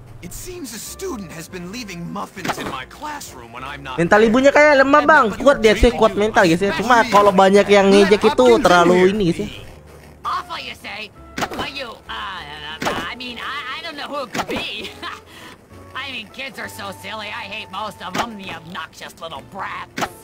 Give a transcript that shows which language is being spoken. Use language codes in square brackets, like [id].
[en] It seems a student has been leaving muffins in my classroom when I'm not. [id] Mental ibunya kayak lemah, Bang. Kuat dia sih, kuat mental guys ya. Cuma kalau banyak yang ngejek itu terlalu ini guys ya. [en] Awful you say. But you I don't know who it could be. I mean, kids are so silly. I hate most of them, the obnoxious little brats.